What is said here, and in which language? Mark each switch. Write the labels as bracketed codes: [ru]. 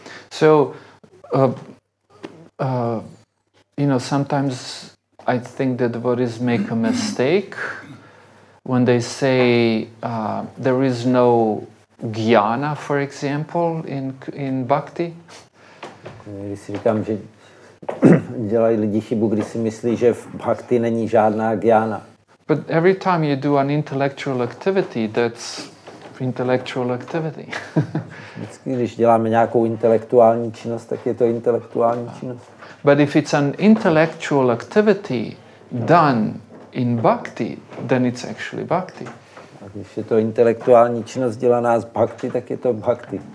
[en] So, you know, sometimes I think that devotees make a mistake when they say there is no jnana, for example, in bhakti. [cs] Když si říkám, že dělají lidi chybu, když si myslí, že v bhakti není žádná jnana. [en] But every time you do an intellectual activity, that's intellectual activity. [cs] Vždycky, když děláme nějakou intelektuální činnost, tak je to intelektuální činnost. [en] But if it's an intellectual activity done in bhakti, then it's actually bhakti. [cs] A když je to intelektuální činnost dělaná z bhakti, tak je to bhakti.